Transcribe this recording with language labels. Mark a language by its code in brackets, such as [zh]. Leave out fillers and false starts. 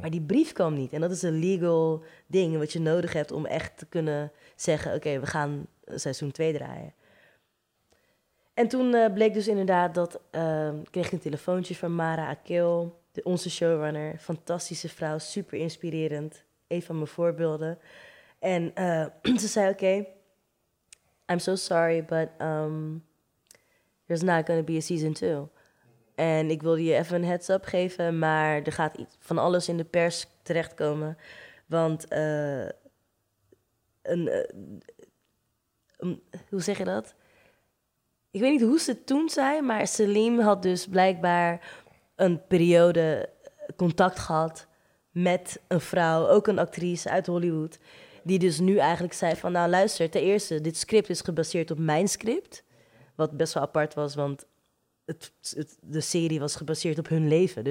[nl] Maar die brief kwam niet. En dat is een legal ding wat je nodig hebt om echt te kunnen zeggen, oké, we gaan seizoen 2 draaien. En toen bleek dus inderdaad dat, kreeg ik een telefoontje van Mara Akil. Onze showrunner, fantastische vrouw, super inspirerend. Een van mijn voorbeelden. En ze zei, oké, [en] I'm so sorry, but there's not going to be a season 2. [nl] En ik wilde je even een heads up geven, maar er gaat van alles in de pers terechtkomen. Want hoe zeg je dat? Ik weet niet hoe ze het toen zei, maar Salim had dus blijkbaar een periode contact gehad met een vrouw, ook een actrice uit Hollywood, die dus nu eigenlijk zei van, nou luister, ten eerste, dit script is gebaseerd op mijn script, wat best wel apart was, want de serie was gebaseerd op hun leven.